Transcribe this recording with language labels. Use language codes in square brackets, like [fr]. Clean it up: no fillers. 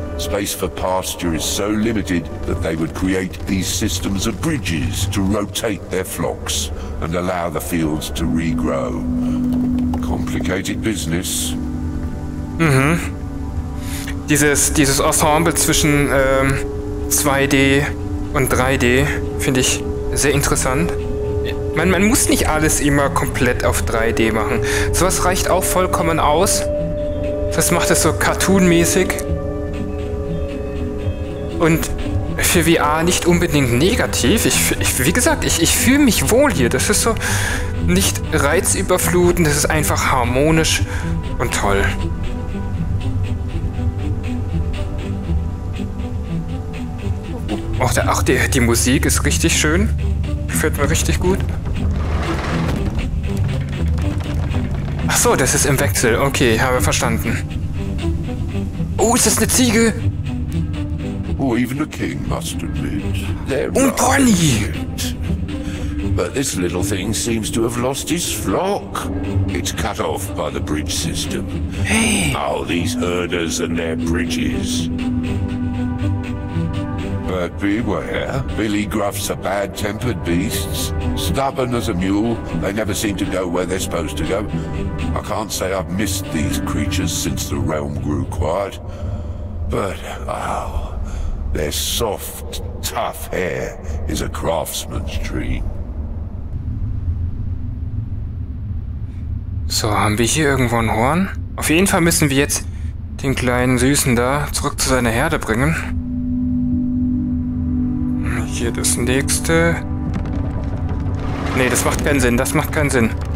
[en] Space for pasture is so limited that they would create these systems of bridges to rotate their flocks and allow the fields to regrow. Complicated business. Mhm. [de] Dieses Ensemble zwischen 2D und 3D finde ich sehr interessant. Man muss nicht alles immer komplett auf 3D machen. Sowas reicht auch vollkommen aus. Das macht es so cartoonmäßig. Und für VR nicht unbedingt negativ. Wie gesagt, ich fühle mich wohl hier. Das ist so nicht reizüberflutend, das ist einfach harmonisch und toll. Die Musik ist richtig schön. Gefällt mir richtig gut. Ach so, das ist im Wechsel. Okay, habe verstanden. Oh, ist das eine Ziege? [en] Oh, even a king must admit. [de] Ein Pony! [en] But this little thing seems to have lost his flock. It's cut off by the bridge system. Hey! All these herders and their bridges. But beware, Billy Gruffs are bad-tempered beasts. Stubborn as a mule, they never seem to go where they're supposed to go. I can't say I've missed these creatures since the realm grew quiet. But, oh, their soft, tough hair is a craftsman's dream. [de] So, haben wir hier irgendwo ein Horn? Auf jeden Fall müssen wir jetzt den kleinen Süßen da zurück zu seiner Herde bringen. Hier das nächste. Nee, das macht keinen Sinn.